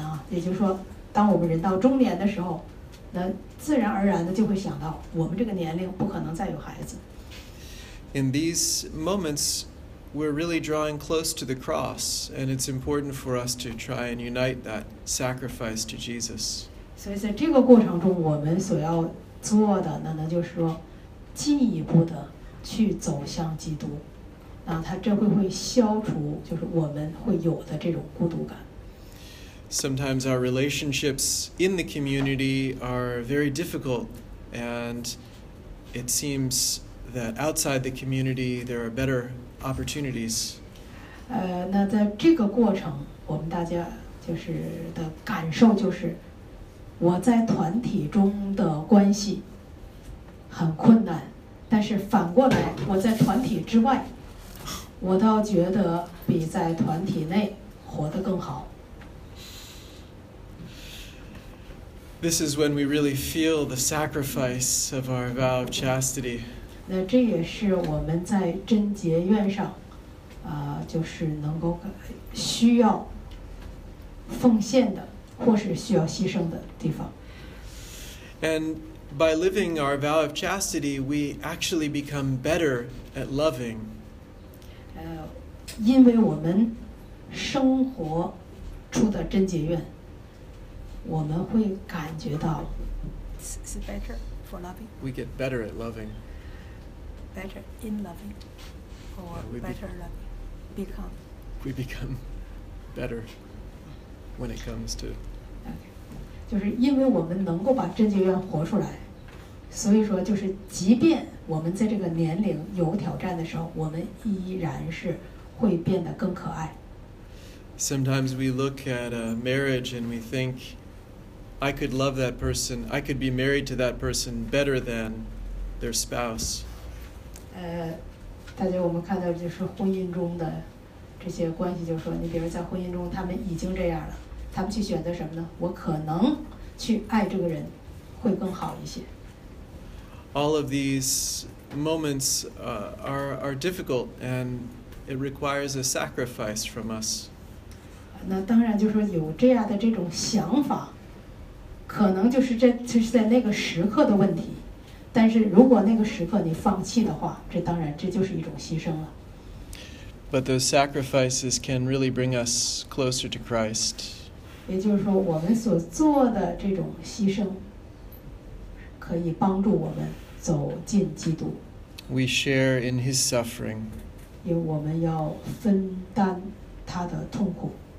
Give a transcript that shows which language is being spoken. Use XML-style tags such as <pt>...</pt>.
<en>Can you repeat this? It's no longer possible to have children.</en> <zh>那自然而然的就会想到，我们这个年龄不可能再有孩子。</zh> <en>In these moments, we're really drawing close to the cross, and it's important for us to try and unite that sacrifice to Jesus.</en> <zh>所以在这个过程中，我们所要做的呢，那就是说，进一步的去走向基督，那它这会消除，就是我们会有的这种孤独感。</zh> <en>Sometimes our relationships in the community are very difficult, and it seems that outside the community there are better opportunities.</en> <zh>那在这个过程，我们大家就是的感受就是，我在团体中的关系很困难，但是反过来，我在团体之外，我倒觉得比在团体内活得更好。</zh> <en>This is when we really feel the sacrifice of our vow of chastity.</en> <zh>那这也是我们在贞洁愿上，就是能够需要奉献的，或是需要牺牲的地方。</zh> <en>And by living our vow of chastity, we actually become better at loving.</en> <zh>因为我们生活出的贞洁愿。我们会感觉到</zh> <en>is it better for loving? We get better at loving. Better in loving. Or yeah, better loving. Become. We become better when it comes to. Okay.</en> <zh>就是因为我们能够把贞洁愿活出来，所以说就是即便我们在这个年龄有挑战的时候，我们依然是会变得更可爱。</zh> <en>Sometimes we look at a marriage and we think,I could love that person. I could be married to that person better than their spouse.</en> <zh>大家我们看到就是婚姻中的这些关系，就是说，你比如在婚姻中，他们已经这样了，他们去选择什么呢？我可能去爱这个人会更好一些。</zh> <en>All of these moments are difficult, and it requires a sacrifice from us.</en> <zh>那当然就是说有这样的这种想法。可能就是这就是在那个时刻的问题，但是如果那个时刻你放弃的话，这当然这就是一种牺牲了。</zh> <en>But those sacrifices can really bring us closer to Christ.</en> <zh>也就是说，我们所做的这种牺牲，可以帮助我们走进基督。</zh> <en>We share in His suffering.</en> <zh>因为我们要分担他的痛苦。</zh>